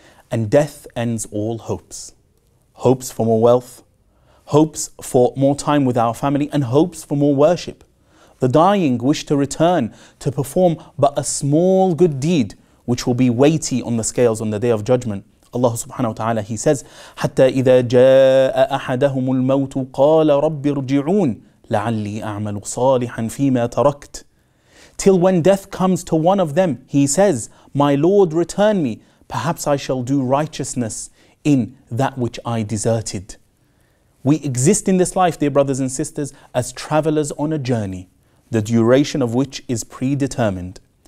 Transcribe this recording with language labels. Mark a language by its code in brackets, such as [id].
[en] And death ends all hopes. Hopes for more wealth, hopes for more time with our family, and hopes for more worship. The dying wish to return to perform but a small good deed, which will be weighty on the scales on the Day of Judgment. [ar] Allah subhanahu wa ta'ala, [en] he says, [ar] حَتَّى إِذَا جَاءَ أَحَدَهُمُ الْمَوْتُ قَالَ رَبِّ ارْجِعُونَ لَعَلِّي أَعْمَلُ صَالِحًا فِيمَا تَرَكْتُ. [en] Till when death comes to one of them, he says, my Lord, return me. Perhaps I shall do righteousness in that which I deserted. We exist in this life, dear brothers and sisters, as travelers on a journey, the duration of which is predetermined.